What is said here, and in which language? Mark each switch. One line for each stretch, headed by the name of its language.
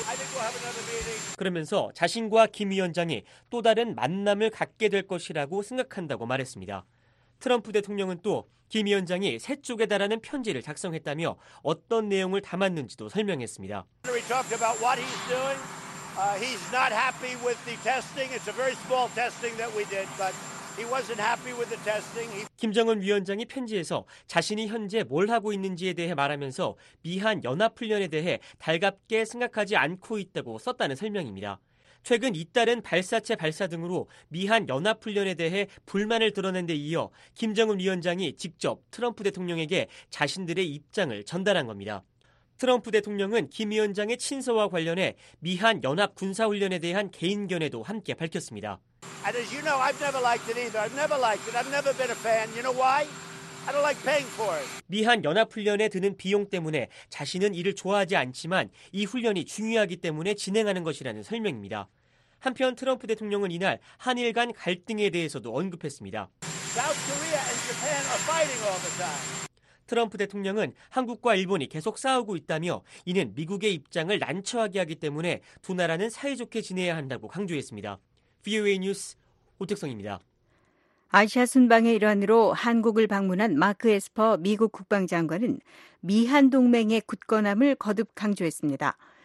English: I think we'll have another meeting.
Korean: 그러면서 자신과 김 위원장이 또 다른 만남을 갖게 될 것이라고 생각한다고 말했습니다. 트럼프 대통령은 또 김 위원장이 새 쪽에 달하는 편지를 작성했다며 어떤 내용을 담았는지도 설명했습니다.
English: We talked about what he's doing. He's not happy with the testing. It's a very small testing that we did, but he wasn't happy with the testing.
Korean: 김정은 위원장이 편지에서 자신이 현재 뭘 하고 있는지에 대해 말하면서 미한 연합훈련에 대해 달갑게 생각하지 않고 있다고 썼다는 설명입니다. 최근 잇따른 발사체 발사 등으로 미한 연합훈련에 대해 불만을 드러낸 데 이어 김정은 위원장이 직접 트럼프 대통령에게 자신들의 입장을 전달한 겁니다. 트럼프 대통령은 김 위원장의 친서와 관련해 미한 연합 군사훈련에 대한 개인 견해도 함께 밝혔습니다.
English: And as you know, I've never liked it either. I've never liked it. I've never been a fan. You know why? I don't like paying for it.
Korean: 미한 연합훈련에 드는 비용 때문에 자신은 이를 좋아하지 않지만 이 훈련이 중요하기 때문에 진행하는 것이라는 설명입니다. 한편 트럼프 대통령은 이날 한일 간 갈등에 대해서도 언급했습니다.
English: South Korea and Japan are fighting all the time.
Korean: 트럼프 대통령은 한국과 일본이 계속 싸우고 있다며 이는 미국의 입장을 난처하게 하기 때문에 두 나라는 사이좋게 지내야 한다고 강조했습니다. VOA 뉴스 오택성입니다. 아시아 순방의 일환으로 한국을 방문한 마크 에스퍼 미국 국방장관은 미한 동맹의 굳건함을 거듭 강조했습니다.